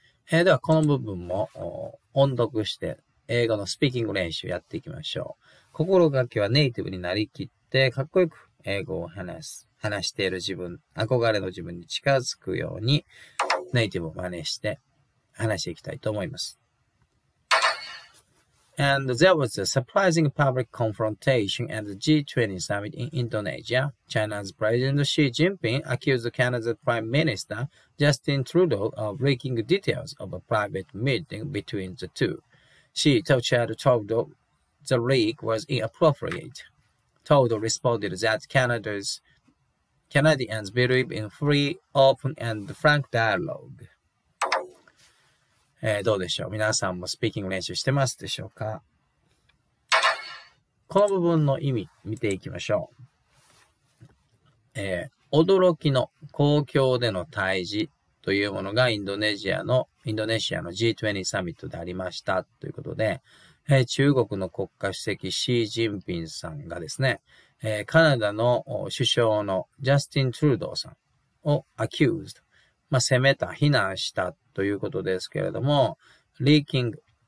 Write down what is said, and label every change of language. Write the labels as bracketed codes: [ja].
[ja] では、この部分も音読して、英語のスピーキング練習やっていきましょう。心がけはネイティブになりきって、かっこよく英語を話している自分、憧れの自分に近づくように、ネイティブを真似して話していきたいと思います。 [en] And there was a surprising public confrontation at the G20 summit in Indonesia. China's President Xi Jinping accused Canada's Prime Minister Justin Trudeau of leaking details of a private meeting between the two. Xi told Trudeau the leak was inappropriate. Trudeau responded that Canadians believe in free, open and frank dialogue. [ja] どうでしょう。皆さんもスピーキング練習してますでしょうか。この部分の意味見ていきましょう。驚きの公共での対峙というものがインドネシアの G20 サミットでありましたということで、中国の国家主席シー・ジンピンさんがですね、カナダの首相のジャスティン・トゥルドーさんをアキューズ、まあ、責めた、非難したということですけれども、リーキング、